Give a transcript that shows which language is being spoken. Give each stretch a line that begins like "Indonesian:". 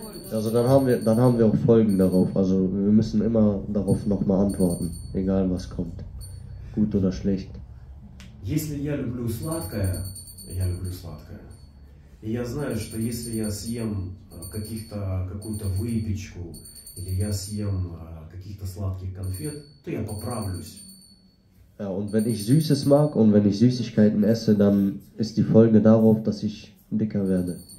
German: also dann haben wir auch Folgen darauf. Also wir müssen immer darauf nochmal antworten, egal was kommt, gut oder schlecht.
Russian: Если я люблю сладкое, я люблю сладкое. И я знаю, что если я съем какую-то выпечку или я съем каких-то сладких конфет, то я поправлюсь.
German: Ja, und wenn ich Süßes mag und wenn ich Süßigkeiten esse, dann ist die Folge darauf, dass ich dicker werde.